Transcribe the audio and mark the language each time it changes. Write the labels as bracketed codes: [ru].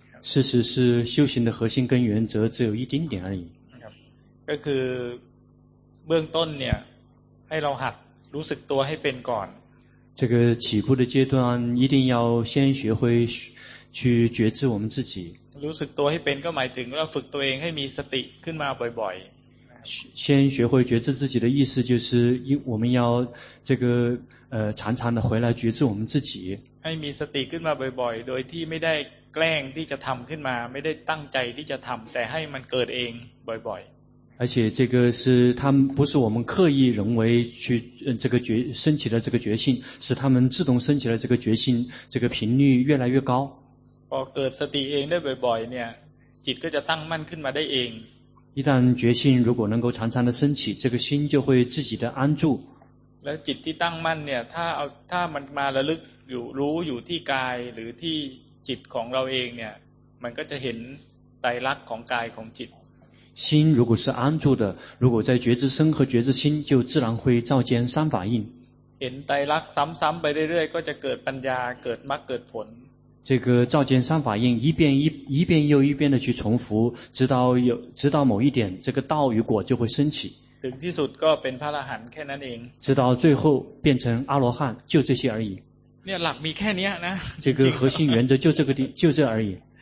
[zh] 事实是修行的核心跟原则只有一丁点而已 [th] ก็คือเบื้องต้นเนี่ยให้เราหัดรู้สึกตัวให้เป็นก่อน [zh] 这个起步的阶段一定要先学会去觉知我们自己 [th] รู้สึกตัวให้เป็นก็หมายถึงเราฝึกตัวเองให้มีสติขึ้นมาบ่อย [zh] ๆ先学会觉知自己的意思就是我们要这个常常的回来觉知我们自己 [th] ให้มีสติขึ้นมาบ่อยๆโดยที่ไม่ได้แกล้งที่จะทำขึ้นมาไม่ได้ตั้งใจที่จะทำแต่ให้มันเกิดเองบ่อยๆ [zh] 而且这个是他们不是我们刻意人为去这个觉升起的这个觉性，使他们自动升起了这个觉性，这个频率越来越高。 [th] พอเกิดสติเองได้บ่อยๆเนี่ยจิตก็จะตั้งมั่นขึ้นมาได้เอง。 [zh] 一旦觉性如果能够常常的升起，这个心就会自己的安住。 [th] แล้วจิตที่ตั้งมั่นเนี่ยถ้ามันมาระลึกอยู่รู้อยู่ที่กายหรือที่จิตของเราเองเนี่ยมันก็จะเห็นไตรลักษณ์ของกายของจิต。 [zh] 心如果是安住的，如果在觉知身和觉知心，就自然会照见三法印。见呆拉，三三 [th] ไปเรื่อยๆก็จะเกิดปัญญาเกิดมรรคเกิดผล。 [zh] 这个照见三法印，一遍又一遍的去重复，直到某一点，这个道与果就会升起。 [th] ถึงที่สุดก็เป็นพระอรหันต์แค่นั้นเอง。 [zh] 直到最后变成阿罗汉，就这些而已。 [th] เนี่ยหลักมีแค่นี้นะ。 [zh] 这个核心原则就这个地，就这而已。